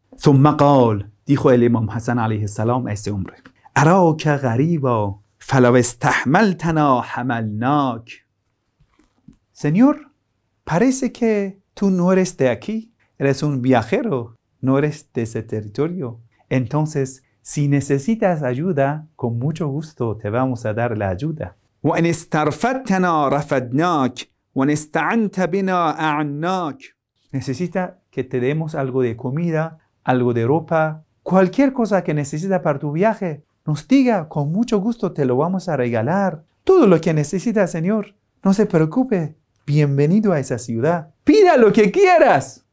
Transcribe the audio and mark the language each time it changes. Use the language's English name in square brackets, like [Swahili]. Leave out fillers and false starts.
[Arabic] ثم قال, [Spanish] dijo el Imam Hassan alayhi salam a ese hombre, [Arabic] أراك غريبا فلو استحملتنا حملناك. [Spanish] Señor, parece que tú no eres de aquí. Eres un viajero. No eres de ese territorio. Entonces, si necesitas ayuda, con mucho gusto te vamos a dar la ayuda. [Arabic] وإن استرفدتنا رفدناك وإن استعنت بنا أعناك. [Spanish] Necesita que te demos algo de comida, algo de ropa, cualquier cosa que necesitas para tu viaje. Nos diga, con mucho gusto te lo vamos a regalar. Todo lo que necesitas, Señor. No se preocupe. Bienvenido a esa ciudad. Pida lo que quieras.